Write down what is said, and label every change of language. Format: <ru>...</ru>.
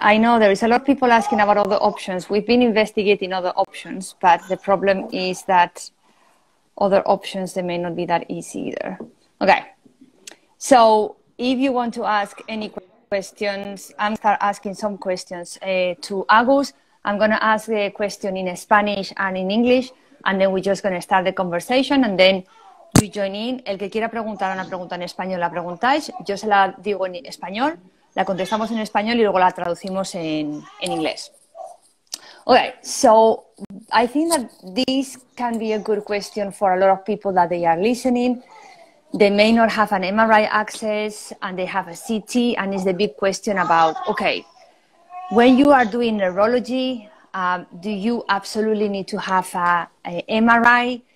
<en>I know there is a lot of people asking about other options. We've been investigating other options, but the problem is that other options, they may not be that easy either. Okay. So if you want to ask any questions, I'm going to start asking some questions to Agus. I'm going to ask the question in Spanish and in English, and then we're just going to start the conversation, and then you join in.</en> <es>El que quiera preguntar una pregunta en español, la preguntáis. Yo se la digo en español, la contestamos en español y luego la traducimos en inglés.</es> <en>Okay, so I think that this can be a good question for a lot of people that they are listening. They may not have an MRI access and they have a CT, and it's the big question about, okay, when you are doing neurology, do you absolutely need to have an MRI?</en>